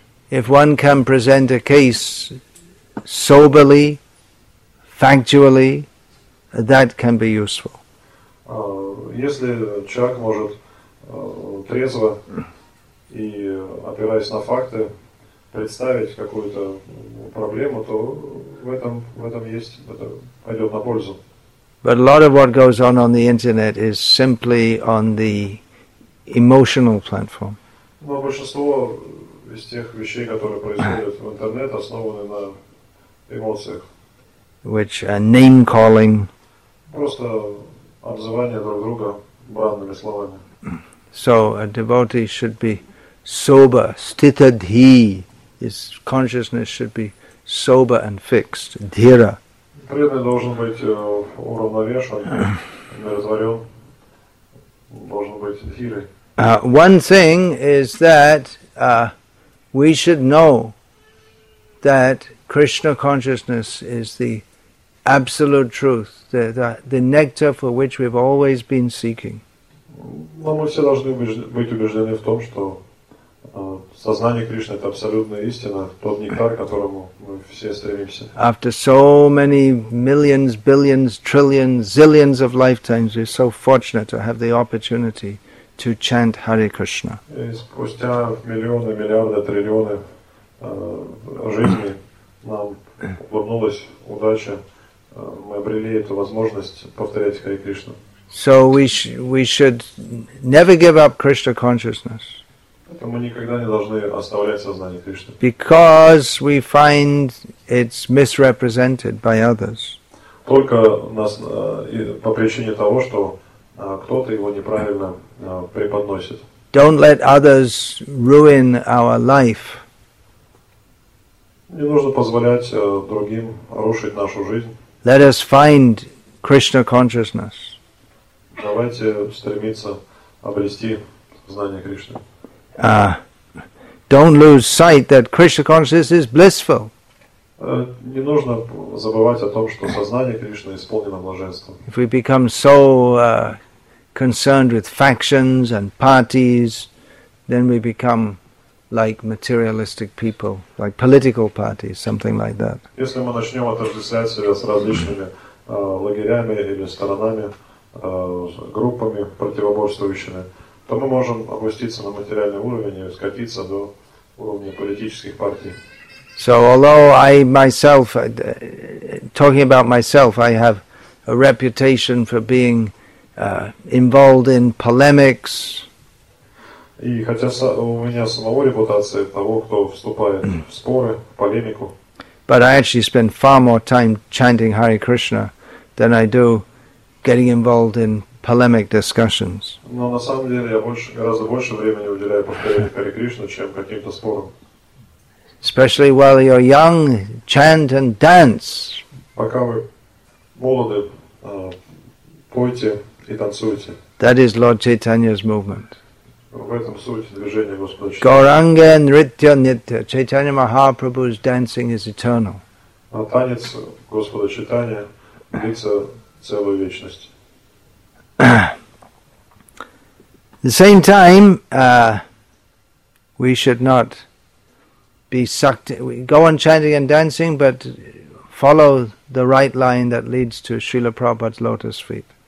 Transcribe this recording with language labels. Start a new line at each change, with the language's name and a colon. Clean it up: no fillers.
English: If one can present a case soberly, factually, that can be useful.
Russian: Если человек может трезво и опираясь на факты, представить какую-то проблему, то в этом есть, это пойдет на пользу.
English: But a lot of what goes on the internet is simply on the emotional platform.
Russian: Но большинство из тех вещей, которые происходят в интернете, основаны на эмоциях.
English: Which are name calling.
Russian: Просто обзывание друг друга бранными словами.
English: So a devotee should be sober, sthitadhi. His consciousness should be sober and fixed, dhira.
Russian: Преданный должен быть уравновешен, умиротворен, должен быть дхирой.
English: One thing is that we should know that Krishna consciousness is the absolute truth, the nectar for which we've always been seeking.
Russian: Но мы все должны быть убеждены в том, что сознание Кришны – это абсолютная истина, тот нектар, к которому мы все стремимся.
English: After so many millions, billions, trillions, zillions of lifetimes, we're so fortunate to have the opportunity to chant Hare Krishna.
Russian: И спустя миллионы, миллиарды, триллионы жизни нам улыбнулась удача, мы обрели эту возможность повторять Hare Krishna.
English: So we should never give up Krishna consciousness.
Russian: Мы никогда не должны оставлять сознание Кришны.
English: Because we find it's misrepresented by others.
Russian: Только нас, по причине того, что кто-то его неправильно преподносит.
English: Don't let others ruin our life.
Russian: Не нужно позволять другим рушить нашу жизнь.
English: Let us find Krishna consciousness.
Russian: Давайте стремиться обрести знание Кришны.
English: Don't lose sight that Krishna consciousness is blissful.
Russian: не нужно забывать о том, что сознание Кришны исполнено блаженством.
English: If we become so concerned with factions and parties, then we become like materialistic people, like political parties, something like that.
Russian: Если мы начнем отождествлять себя с различными лагерями или сторонами, группами противоборствующими, то мы можем опуститься на материальный уровень и скатиться до уровня политических партий.
English: So although I myself, talking about myself, I have a reputation for being involved in polemics.
Russian: И хотя у меня самого репутация того, кто вступает в споры, в полемику.
English: But I actually spend far more time chanting Hare Krishna than I do getting involved in polemic discussions.
Russian: Но на самом деле я больше, гораздо больше времени уделяю повторению Hare Krishna, чем каким-то спорам.
English: Especially while you're young, chant and dance.
Russian: Пока вы молоды, пойте и танцуйте.
English: That is Lord Chaitanya's movement.
Russian: В этом суть движения Господа Чайтаньи.
Sanskrit: Гауранга нритья нитья.
English: Чайтанья Махапрабху's dancing is eternal.
Russian: А танец Господа Чайтанья длится целую вечность.
English: At the same time, we should not be sucked in. We go on chanting and dancing, but follow the right line that leads to Srila Prabhupada's lotus feet.